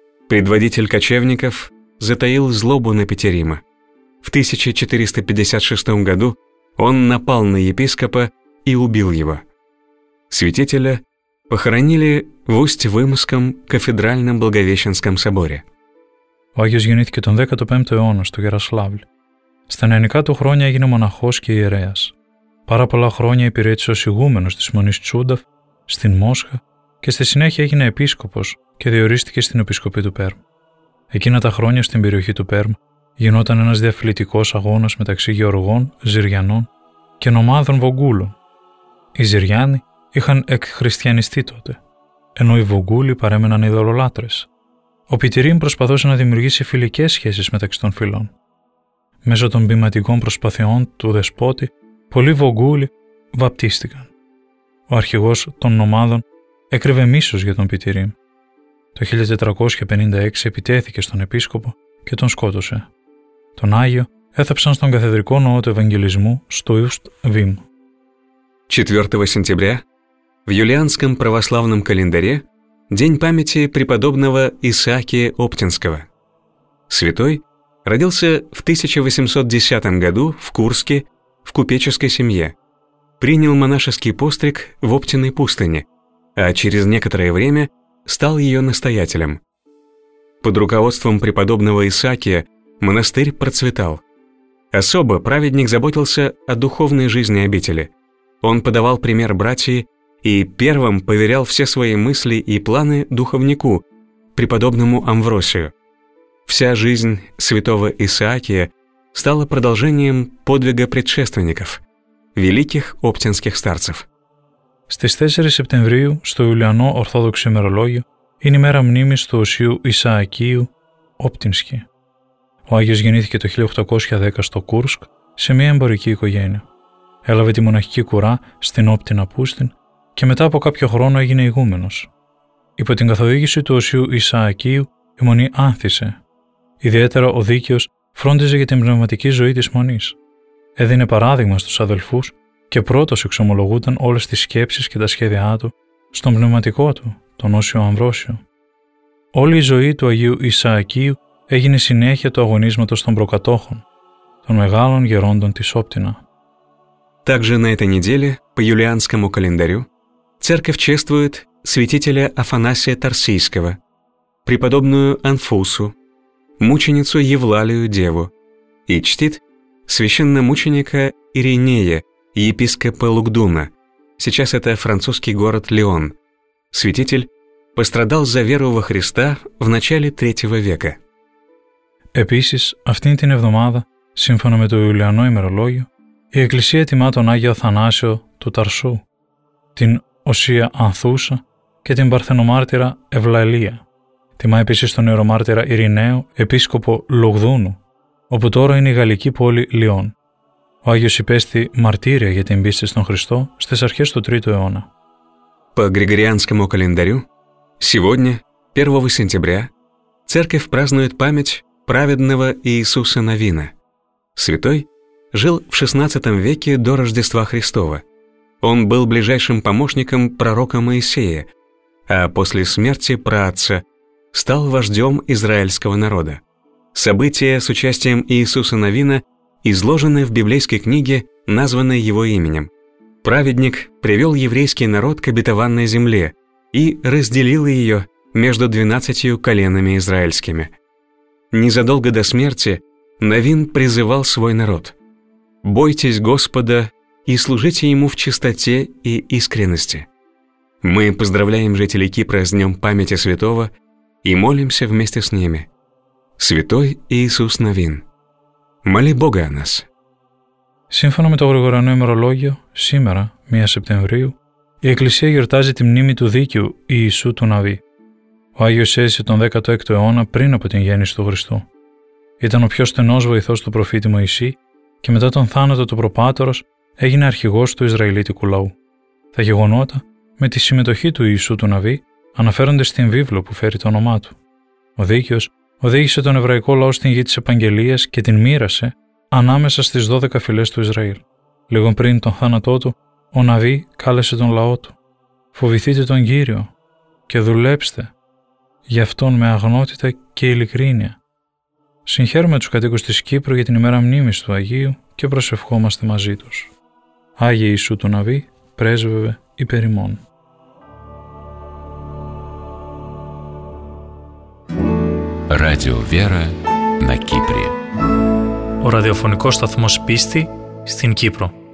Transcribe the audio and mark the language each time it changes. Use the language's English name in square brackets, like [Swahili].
[Russian] Предводитель кочевников затаил злобу на Петерима. В 1456 году он напал на епископа и убил его. Святителя похоронили в Усть-Вымском кафедральном Благовещенском соборе. [Greek] Ο Άγιος γεννήθηκε τον 15ο αιώνα στο Γερασλάβλ. Στα 90 του χρόνια έγινε μοναχός και ιερέας. Πάρα πολλά χρόνια υπηρέτησε ως ηγούμενος της Μονής Τσούνταφ στην Μόσχα και στη συνέχεια έγινε επίσκοπος και διορίστηκε στην Επισκοπή του Πέρμ. Εκείνα τα χρόνια στην περιοχή του Πέρμ γινόταν ένας διαφυλετικός αγώνας μεταξύ Γεωργών, Ζηριανών και νομάδων Βογγούλων. Οι Ζηριάνοι είχαν εκχριστιανιστεί τότε, ενώ οι Βογγούλοι παρέμεναν ειδωλολάτρες. Ο Πιτηρίμ προσπαθούσε να δημιουργήσει φιλικές σχέσεις μεταξύ των φυλών. Μέσω των ποιματικών προσπαθειών του δεσπότη, πολλοί Βογγούλοι βαπτίστηκαν. Ο αρχηγός των νομάδων έκρυβε μίσος για τον Πιτηρίμ. Το 1456 επιτέθηκε στον επίσκοπο και τον σκότωσε. Τον Άγιο έθαψαν στον καθεδρικό ναό του Ευαγγελισμού στο Ουστ-Βίμ. 4 Σεπτεμβρίου, [Russian] в юлианском православном календаре, день памяти преподобного Исаакия Оптинского. Святой родился в 1810 году в Курске в купеческой семье. Принял монашеский постриг в Оптиной пустыне, а через некоторое время стал ее настоятелем. Под руководством преподобного Исаакия монастырь процветал. Особо праведник заботился о духовной жизни обители. Он подавал пример братьям и первым поверял все свои мысли и планы духовнику, преподобному Амвросию. Вся жизнь святого Исаакия стала продолжением подвига предшественников, великих оптинских старцев. [Greek] Στις 4 Σεπτεμβρίου, στο Ιουλιανό Ορθόδοξο ημερολόγιο, είναι η μέρα μνήμης του Οσίου Ισαακίου Όπτινσκι. Ο Άγιος γεννήθηκε το 1810 στο Κούρσκ σε μια εμπορική οικογένεια. Έλαβε τη μοναχική κουρά στην Όπτινα Πούστην και μετά από κάποιο χρόνο έγινε ηγούμενος. Υπό την καθοδήγηση του Οσίου Ισαακίου, η μονή άνθησε. Ιδιαίτερα ο Δίκαιος φρόντιζε για την πνευματική ζωή της μονής. Έδινε παράδειγμα στους αδελφούς και πρώτος εξομολογούταν όλες τις σκέψεις και τα σχέδιά του στον πνευματικό του, τον Όσιο Αμβρόσιο. Όλη η ζωή του Αγίου Ισαακίου έγινε συνέχεια του αγωνίσματος των προκατόχων, των μεγάλων γερόντων της Όπτινα. [Russian] Также на этой неделе, по юлианскому календарю, церковь чествует святителя Афанасия Тарсийского, преподобную Анфусу, мученицу Евлалию Деву и чтит священномученика Иринея, епископа Лугдуна, сейчас это французский город Лион. Святитель пострадал за веру во Христа в начале III века. [Greek] Επίσης, αυτήν την εβδομάδα, σύμφωνα με το Ιουλιανό ημερολόγιο, η Εκκλησία τιμά τον Άγιο Αθανάσιο του Ταρσού, την Οσία Ανθούσα και την Παρθενομάρτυρα Ευλαλία. Τιμά επίσης τον Ιερομάρτυρα Ειρηναίο, επίσκοπο Λογδούνου, όπου τώρα είναι η γαλλική πόλη Λιόν. Ο Άγιος υπέστη μαρτύρια για την πίστη στον Χριστό στις αρχές του 3ου αιώνα. [Russian] По Григорианскому календарю, сегодня, 1 сентября церковь празднует память праведного Иисуса Навина. Святой жил в XVI веке до Рождества Христова. Он был ближайшим помощником пророка Моисея, а после смерти праотца стал вождем израильского народа. События с участием Иисуса Навина изложены в библейской книге, названной его именем. Праведник привел еврейский народ к обетованной земле и разделил ее между 12 коленами израильскими. Незадолго до смерти Навин призывал свой народ: «Бойтесь Господа и служите Ему в чистоте и искренности». Мы поздравляем жителей Кипра с днем памяти святого и молимся вместе с ними. Святой Иисус Навин, моли Бога о нас. [Greek] Σύμφωνα με το Γρηγοριανό ημερολόγιο, σήμερα, 1 Σεπτεμβρίου, η Εκκλησία γιορτάζει τη μνήμη του δίκαιου Ιησού του Ναβί. Ο Άγιος έζησε τον 16ο αιώνα πριν από την γέννηση του Χριστού. Ήταν ο πιο στενός βοηθός του προφήτη Μωυσή και μετά τον θάνατο του προπάτορος έγινε αρχηγός του Ισραηλίτικου λαού. Τα γεγονότα με τη συμμετοχή του Ιησού του Ναβί αναφέρονται στην βίβλο που φέρει το όνομά του. Ο δίκαιος οδήγησε τον εβραϊκό λαό στην γη της Επαγγελίας και την μοίρασε ανάμεσα στις 12 φυλές του Ισραήλ. Λίγο πριν τον θάνατό του, ο Ναβί κάλεσε τον λαό του: «Φοβηθείτε τον Κύριο και δουλέψτε γι' αυτόν με αγνότητα και ειλικρίνεια». Συγχαίρουμε τους κατοίκους της Κύπρου για την ημέρα μνήμης του Αγίου και προσευχόμαστε μαζί τους. Άγιε Ιησού του Ναβί, πρέσβευε υπέρ ημών. [Russian] Ράδιο Βέρα, на Кипре. [Greek] Ο ραδιοφωνικός σταθμός πίστη στην Κύπρο.